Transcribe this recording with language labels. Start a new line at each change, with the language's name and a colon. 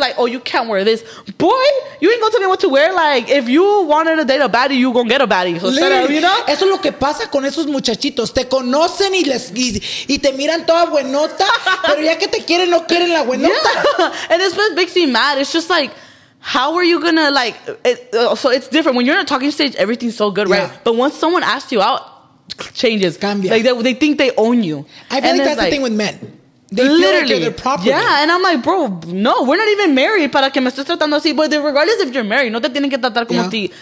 English: Like, oh, you can't wear this. Boy, you ain't going to tell me what to wear. Like, if you wanted to date a baddie, you going to get a baddie. So literally. Up, you know?
Spanish: Eso es lo que pasa con esos muchachitos. Te conocen y te miran toda buenota. Pero ya que te quieren, no quieren la buenota.
English: Yeah. And it's what makes me mad. It's just like, how are you gonna like it, so it's different when you're in a talking stage, everything's so good, yeah. Right, but once someone asks you out, changes,
Spanish: cambia.
English: Like they think they own you. I feel and like that's like, the thing with men, they literally feel like they're property. Yeah, and I'm like, bro, no, we're not even married
Spanish: para que me estés tratando así,
English: but regardless if you're married,
Spanish: no te tienen que tratar como ti.